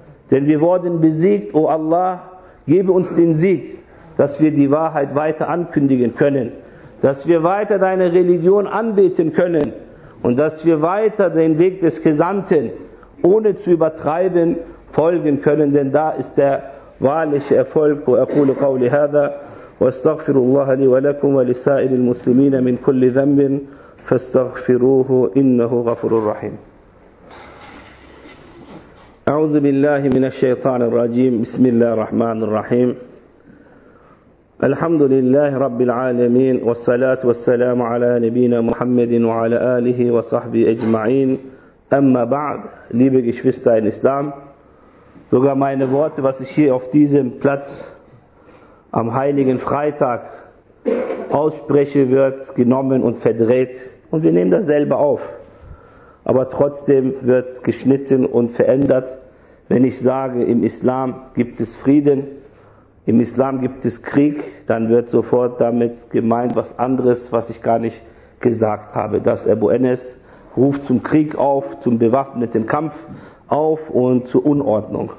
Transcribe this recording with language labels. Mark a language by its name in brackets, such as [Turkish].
[German] Denn wir wurden besiegt, o Allah, gebe uns den Sieg, dass wir die Wahrheit weiter ankündigen können, dass wir weiter deine Religion anbeten können und dass wir weiter den Weg des Gesandten, ohne zu übertreiben, folgen können, denn da ist der wahrliche Erfolg. [Arabic] وَأَقُولُ قَوْلِ هَذَا وَاسْتَغْفِرُ اللَّهَ لِي وَلَكُمْ وَلِسَائِرِ الْمُسْلِمِينَ مِنْ كُلِّ ذَنْبٍ فَاسْتَغْفِرُوهُ إِنَّهُ غَفُورٌ رَحِيمٌ أَعُوذُ بِاللَّهِ مِنَ الشَّيْطَانِ الرَّجِيمِ بِسْمِ اللَّهِ الرَّحْمَنِ الرَّحِيمِ الحمد لله رب العالمين والصلاة والسلام على نبينا محمد وعلى آله وصحبه أجمعين أما بعد [German] liebe Geschwister in Islam, sogar meine Worte, was ich hier auf diesem Platz am Heiligen Freitag ausspreche, wird genommen und verdreht, und wir nehmen das selber auf, aber trotzdem wird geschnitten und verändert. Wenn ich sage, im Islam gibt es Frieden, im Islam gibt es Krieg, dann wird sofort damit gemeint was anderes, was ich gar nicht gesagt habe. Dass Abu Enes ruft zum Krieg auf, zum bewaffneten Kampf auf und zur Unordnung.